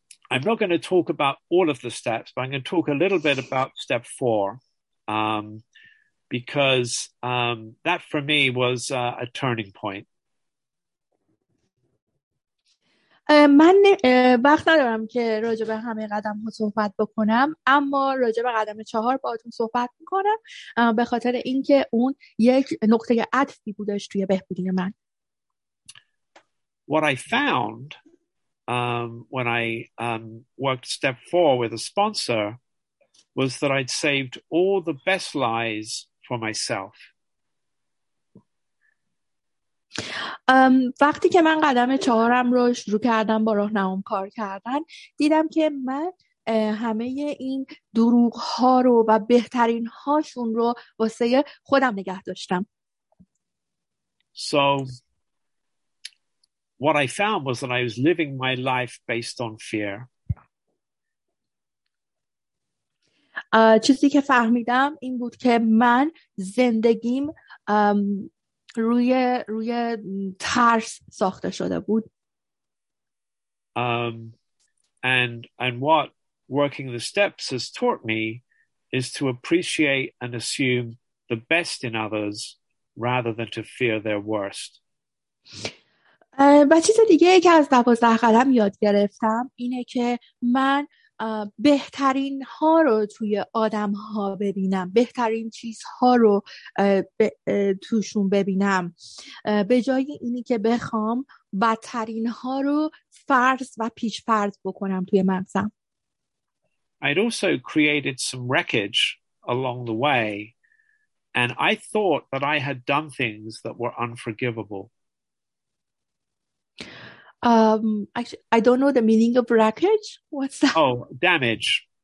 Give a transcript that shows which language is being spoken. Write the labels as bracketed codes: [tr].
[en] I'm not going to talk about all of the steps, but I'm going to talk a little bit about step four, because that for me was a turning point. [fa] من وقت ندارم که راجع به همه قدم ها صحبت بکنم، اما راجع به قدم چهار باهاتون صحبت میکنم به خاطر اینکه اون یک نقطه عطفی بودش توی بهبودی من. [en] What I found when I worked step four with a sponsor was that I'd saved all the best lies for myself. [fa] وقتی که من قدم چهارم رو شروع کردم با راهنمام کار کردن دیدم که من همه این دروغ ها رو و بهترین هاشون رو واسه خودم نگه داشتم. [en] So what I found was that I was living my life based on fear. [fa] چیزی که فهمیدم این بود که من زندگیم روی ترس ساخته شده بود. [en] And what working the steps has taught me is to appreciate and assume the best in others rather than to fear their worst. [fa] و چیز دیگه ای که از 12 قدم یاد گرفتم اینه که من بهترین ها رو توی آدم ها ببینم، بهترین چیز ها رو توشون ببینم به جای اینی که بخوام بدترین ها رو فرض و پیش فرض بکنم توی مغزم. [en] I'd also created some wreckage along the way and I thought that I had done things that were unforgivable. Actually, I don't know the meaning of wreckage. What's that? Oh, damage.